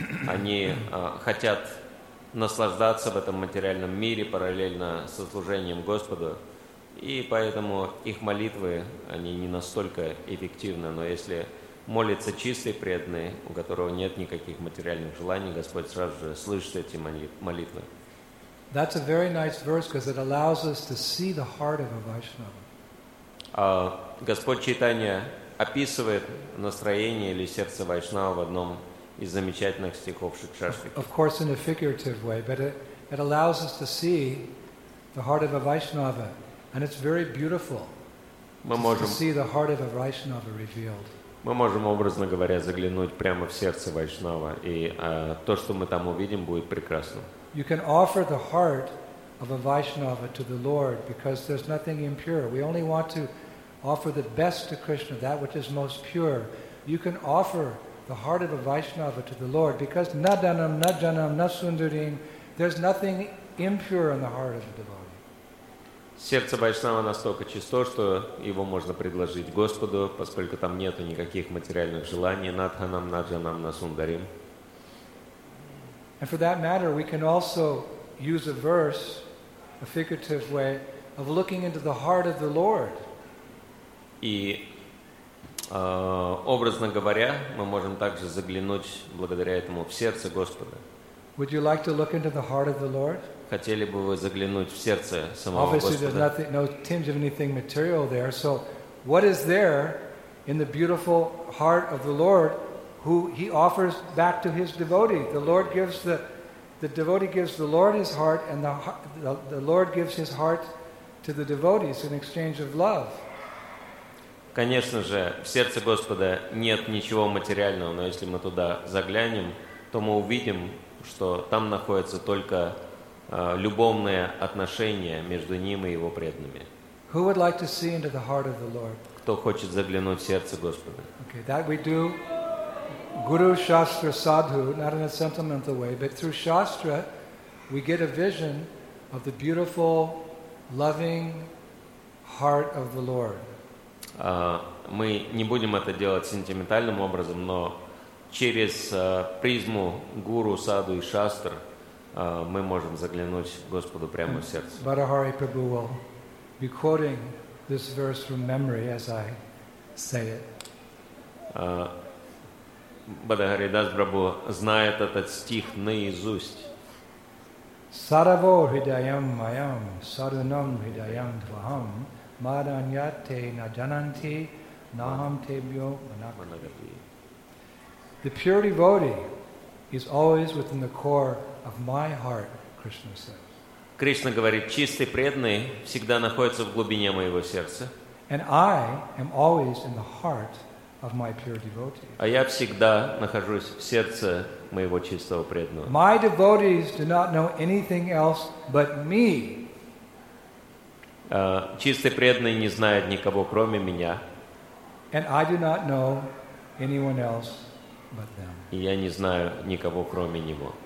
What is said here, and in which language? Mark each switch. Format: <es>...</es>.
<ru>Они хотят наслаждаться в этом материальном мире параллельно со служением Господу, и поэтому их молитвы, они не настолько эффективны. Но если молится чистый преданный, у которого нет никаких материальных желаний, Господь сразу же слышит эти молитвы.</ru> <en>That's a very nice verse because it allows us to see the heart of a Vaishnava.</en> <ru>Господь Чайтанья описывает настроение или сердце Вайшнава в одном из замечательных стихов Шикшаштики.</ru> <en>Of course, in a figurative way, but it allows us to see the heart of a Vaishnava, and it's very beautiful to see the heart of a Vaishnava revealed.</en> <ru>Мы можем, образно говоря, заглянуть прямо в сердце Вайшнава, и то, что мы там увидим, будет прекрасно.</ru> <en>You can offer the heart of a Vaishnava to the Lord because there's nothing impure. We only want to offer the best to Krishna, that which is most pure. You can offer the heart of a Vaishnava to the Lord because</en> <sa>na danam, na janam, na sundarim,</sa> <en>there's nothing impure in the heart of the devotee.</en> <ru>Сердце Вайшнава настолько чисто, что его можно предложить Господу, поскольку там нету никаких материальных желаний.</ru> <sa>На данам, на джанам, на сундарим.</sa> <en>And for that matter, we can also use a verse, a figurative way, of looking into the heart of the Lord.</en> <ru>И, образно говоря, мы можем также заглянуть, благодаря этому, в сердце Господа.</ru> <en>Would you like to look into the heart of the Lord?</en> <ru>Хотели бы вы заглянуть в сердце самого</ru> <en>Obviously,</en> <ru>Господа?</ru> <en>Obviously, there's nothing, no tinge of anything material there. So, what is there in the beautiful heart of the Lord who he offers back to his devotee? The Lord gives the devotee gives the Lord his heart, and the Lord gives his heart to the devotees in exchange of love.</en> <ru>Конечно же, в сердце Господа нет ничего материального, но если мы туда заглянем, то мы увидим, что там находятся только любовные отношения между ним и его преданными.</ru> <en>Who would like to see into the heart of the Lord?</en> <ru>Кто хочет заглянуть в сердце Господа?</ru> <en>Okay, that we do. Guru Shastra Sadhu, not in a sentimental way, but through Shastra, we get a vision of the beautiful, loving heart of the Lord.</en> <ru>Мы не будем это делать сентиментальным образом, но через призму Гуру, Саду и Шастр мы можем заглянуть Господу прямо в сердце.</ru> <en>Varahari Prabhu will be quoting this verse from memory as I say it.</en> <ru>Бадхаридас Прабху знает этот стих наизусть.</ru> <sa>Сарво хридаям майам саранам хридаям твахам маданьяте наджананти нахам тебьо манагати.</sa> <en>The pure devotee is always within the core of my heart, Krishna says.</en> <ru>Кришна говорит: чистый преданный всегда находится в глубине моего сердца.</ru> <en>And I am always in the heart of my pure devotees.</en> <ru>А я всегда нахожусь в сердце моего чистого преданного.</ru> <en>My devotees do not know anything else but me.</en> <ru>Чистый преданный не знает никого, кроме меня.</ru> <en>And I do not know anyone else but them.</en> <ru>И я не знаю никого, кроме него.</ru>